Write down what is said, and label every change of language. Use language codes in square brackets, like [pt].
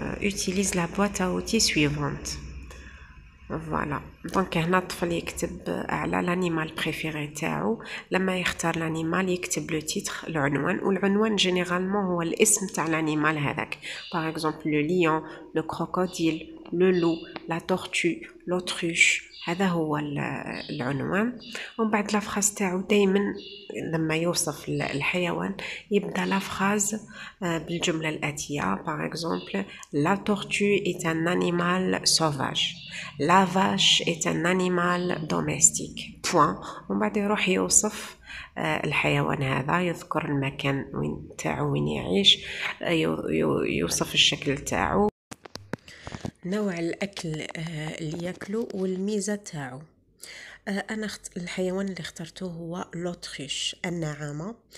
[fr] utilise la boîte à outils suivante. Voilà. [ar] Donc, هنا الطفل يكتب على [fr] l'animal préféré [ar] تاعو. لما يختار l'animal, يكتب le titre, العنوان. والعنوان, généralement, هو الاسم تاع l'animal هذاك. [fr] Par exemple, le lion, le crocodile, le loup, la tortue, l'autruche. [ar] هذا هو العنوان. ومن بعد لا فراز تاعو دايما لما يوصف الحيوان يبدا لا فراز بالجمله الاتيه. [fr] par exemple la tortue est un animal sauvage, la vache est un animal domestique point. [ar] ومن بعد يروح يوصف الحيوان هذا, يذكر المكان وين تاعو, وين يعيش, يوصف الشكل تاعو, نوع الاكل اللي ياكله والميزه تاعو. انا الحيوان اللي اخترته هو لوتريش, النعامه.